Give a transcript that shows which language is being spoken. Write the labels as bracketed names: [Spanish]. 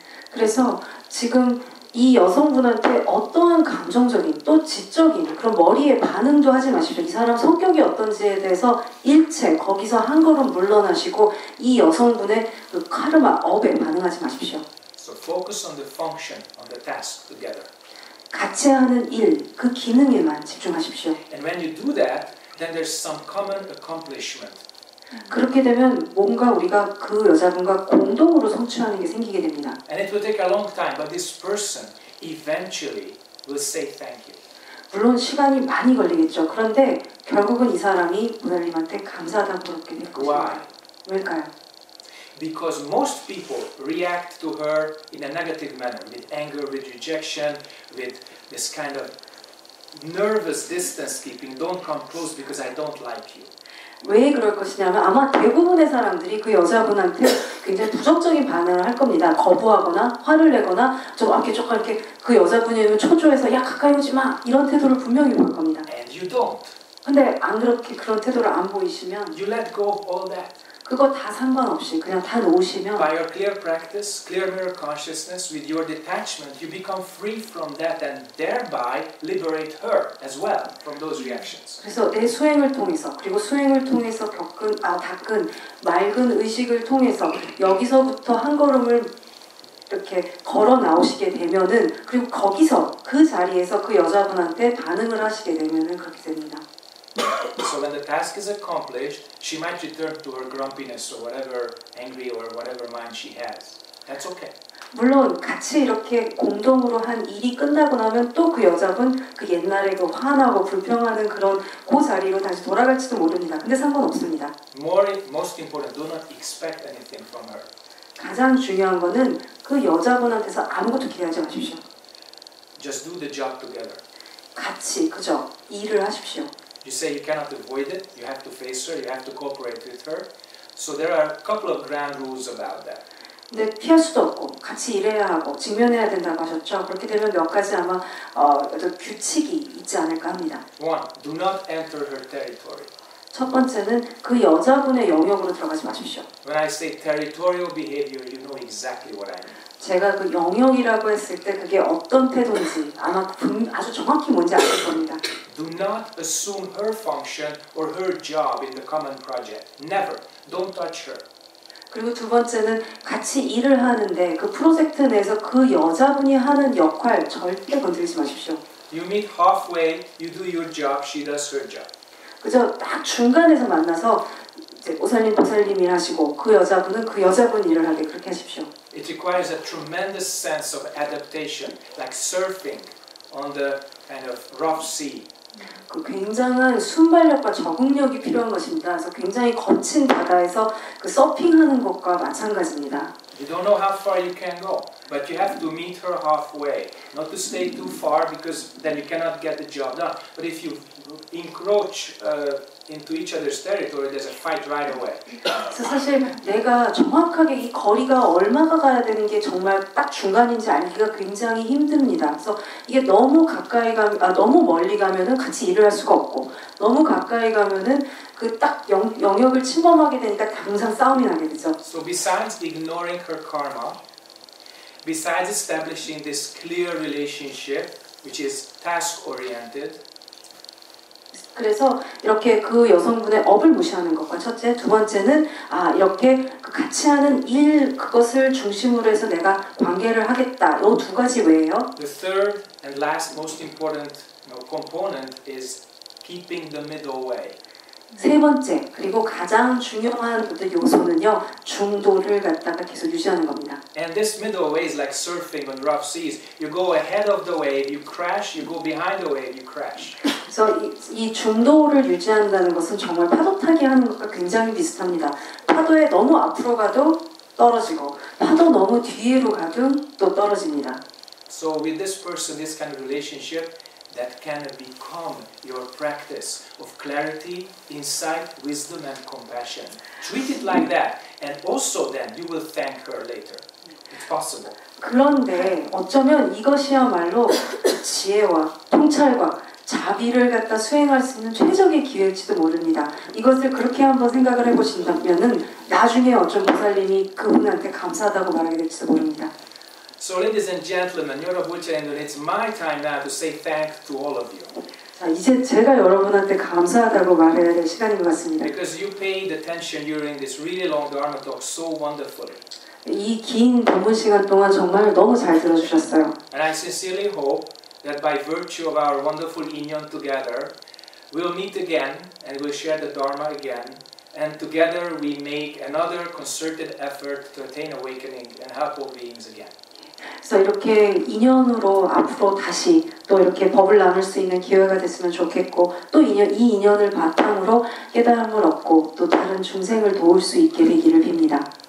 [Korean] 그래서 지금 이 여성분한테 어떠한 감정적인 또 지적인 그런 머리의 반응도 하지 마십시오. 이 사람 성격이 어떤지에 대해서 일체 거기서 한 걸음 물러나시고 이 여성분의 그 카르마 업에 반응하지 마십시오. [English] So focus on the function, on the task together. [Korean] 같이 하는 일, 그 기능에만 집중하십시오. [English] And when you do that, then there's some common accomplishment. [Korean] 그렇게 되면 뭔가 우리가 그 여자분과 공동으로 성취하는 게 생기게 됩니다. [English] And it will take a long time, but this person eventually will say thank you. [Korean] 물론 시간이 많이 걸리겠죠. 그런데 결국은 이 사람이 부처님한테 감사하다고 그렇게 될 것입니다. [English] Why? [Korean] 왜일까요? [English] Because most people react to her in a negative manner, with anger, with rejection, with this kind of nervous distance keeping. Don't come close because I don't like you. [Korean] 왜 그럴 것이냐면 아마 대부분의 사람들이 그 여자분한테 굉장히 부정적인 반응을 할 겁니다. 거부하거나 화를 내거나 좀 이렇게 조금 이렇게 그 여자분이면 초조해서 야 가까이 오지 마 이런 태도를 분명히 볼 겁니다. [English] And you don't. [Korean] 근데 안 그렇게 그런 태도를 안 보이시면 [English] you let go of all that. [Korean] 그거 다 상관없이 그냥 다 놓으시면 [English] by your clear practice, clear mirror consciousness, with your detachment, you become free from that and thereby liberate her as well from those reactions. [Korean] 그래서 내 수행을 통해서 그리고 수행을 통해서 겪은 아 닦은 맑은 의식을 통해서 여기서부터 한 걸음을 이렇게 걸어 나오시게 되면은 그리고 거기서 그 자리에서 그 여자분한테 반응을 하시게 되면은 그렇게 됩니다. [English] So when the task is accomplished, she might return to her grumpiness or whatever angry or whatever mind she has. That's okay. [Korean] 물론 같이 이렇게 공동으로 한 일이 끝나고 나면 또 그 여자분 그 옛날에 그 화나고 불평하는 그런 그 자리로 다시 돌아갈지도 모릅니다. 근데 상관없습니다. [English] Most important, do not expect anything from her. [Korean] 가장 중요한 거는 그 여자분한테서 아무것도 기대하지 마십시오. [English] Just do the job together. [Korean] 같이 그저 일을 하십시오. [English] You say you cannot avoid it, you have to face her, you have to cooperate with her. So there are a couple of ground rules about that. [Korean] 근데 피할 수도 없고 같이 일해야 하고 직면해야 된다고 하셨죠. 그렇게 되면 몇 가지 아마 규칙이 있지 않을까 합니다. [English] One, do not enter her territory. [Korean] 첫 번째는 그 여자분의 영역으로 들어가지 마십시오. [English] When I say territorial behavior, you know exactly what I mean. [Korean] 제가 그 영역이라고 했을 때 그게 어떤 태도인지 아마 아주 정확히 뭔지 아실 겁니다. [English] Do not assume her function or her job in the common project. Never. Don't touch her. [Korean] 그리고 두 번째는 같이 일을 하는데 그 프로젝트 내에서 그 여자분이 하는 역할 절대 건드리지 마십시오. [English] You meet halfway, you do your job, she does her job. [Korean] 그저 딱 중간에서 만나서 이제 오살림 보살림을 하시고 그 여자분은 그 여자분 일을 하게 그렇게 하십시오. [English] It requires a tremendous sense of adaptation, like surfing on the kind of rough sea. [Korean] 그 굉장한 순발력과 적응력이 필요한 것입니다. 그래서 굉장히 거친 바다에서 그 서핑하는 것과 마찬가지입니다. [English] You don't know how far you can go, but you have to meet her halfway. Not to stay too far, because then you cannot get the job done. But if you encroach into each other's territory, there's a fight right away. [Korean] 사실 내가 정확하게 이 거리가 얼마가 가야 되는 게 정말 딱 중간인지 알기가 굉장히 힘듭니다. 그래서 이게 너무 가까이 가면, 너무 멀리 가면은 같이 일을 할 수가 없고, 너무 가까이 가면은 그 딱 영역을 침범하게 되니까 당장 싸움이 나게 되죠. [English] So besides ignoring her karma, besides establishing this clear relationship, which is task-oriented. [Korean] 그래서 이렇게 그 여성분의 업을 무시하는 것과 첫째, 두 번째는 아 이렇게 같이 하는 일 그것을 중심으로 해서 내가 관계를 하겠다. 요 두 가지 외에요. [English] The third and last most important component is keeping the middle way. [Korean] 세 번째 그리고 가장 중요한 요소는요 중도를 갖다가 계속 유지하는 겁니다. [English] And this middle way is like surfing on rough seas. You go ahead of the wave, you crash. You go behind the wave, you crash. [Korean] 그래서 이 중도를 유지한다는 것은 정말 파도 타기 하는 것과 굉장히 비슷합니다. 파도에 너무 앞으로 가도 떨어지고 파도 너무 뒤로 가도 또 떨어집니다. [English] So with this person, this kind of relationship. That can become your practice of clarity, insight, wisdom, and compassion. Treat it like that, and also then you will thank her later. It's possible. [Korean] 그런데 어쩌면 이것이야말로 지혜와 통찰과 자비를 갖다 수행할 수 있는 최적의 기회일지도 모릅니다. 이것을 그렇게 한번 생각을 해보신다면은 나중에 어쩜 보살님이 그분한테 감사하다고 말하게 될지도 모릅니다. [English] So, ladies and gentlemen, 여러분, it's my time now to say thanks to all of you. [Korean] 자, 이제 제가 여러분한테 감사하다고 말해야 될 시간인 것 같습니다. [English] Because you paid attention during this really long Dharma talk so wonderfully. [Korean] 이 긴 법문 시간 동안 정말 너무 잘 들어주셨어요. [English] And I sincerely hope that by virtue of our wonderful union together, we'll meet again and we'll share the Dharma again. And together we make another concerted effort to attain awakening and help all beings again. [Korean] 그래서 이렇게 인연으로 앞으로 다시 또 이렇게 법을 나눌 수 있는 기회가 됐으면 좋겠고 또 이 인연을 바탕으로 깨달음을 얻고 또 다른 중생을 도울 수 있게 되기를 빕니다.